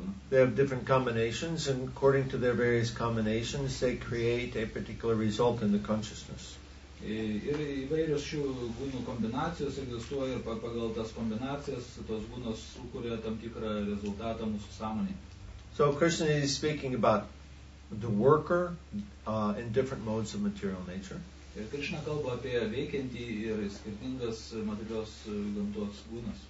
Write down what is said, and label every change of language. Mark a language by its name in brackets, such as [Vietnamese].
[English] They have different combinations, and according to their various combinations, they create a particular result in the consciousness. [Lithuanian] Ir įvairios šių gūnų kombinacijos egzistuoja ir pagal tas kombinacijas tos gūnos sukuria tam tikrą rezultatą mūsų sąmonėje. [English] So Krishna is speaking about the worker in different modes of material nature. [Lithuanian] Ir Krishna kalba apie veikiantį ir skirtingas materialios gamtos gūnas.